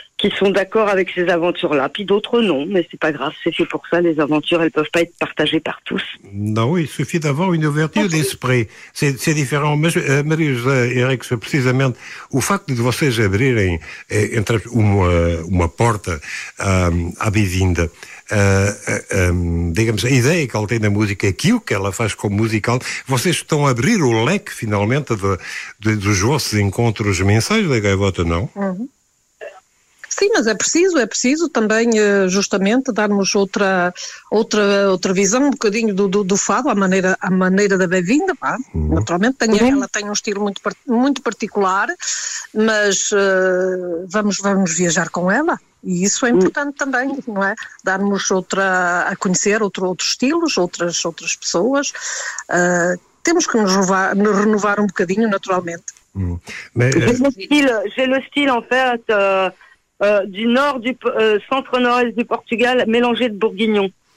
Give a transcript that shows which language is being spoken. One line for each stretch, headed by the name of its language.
French: qui sont d'accord avec ces aventures-là. Puis d'autres, non, mais c'est pas grave, c'est fait pour ça, les aventures, elles peuvent pas être partagées par tous. Non, il suffit d'avoir une ouverture d'esprit. C'est différent. Mais, Marie-José Eric, c'est précisément le fait de vous ouvrir une porte à Bivinde.
Portuguese: Digamos, a ideia que ele tem da música, aquilo que ela faz como musical, vocês estão a abrir o leque finalmente dos vossos encontros mensais da Gaivota, não? Uhum. Sim, mas é preciso também justamente darmos outra visão, um bocadinho do fado, a maneira da bem-vinda, pá. Uhum. Naturalmente ela tem um estilo muito, muito particular, mas vamos viajar com ela. E isso é importante também, não é? Darmos a conhecer outros estilos, outras pessoas. Temos que nos renovar um bocadinho, naturalmente.
French: J'ai le style, en fait, du nord, du centre-nord du Portugal, mélangé de bourguignon.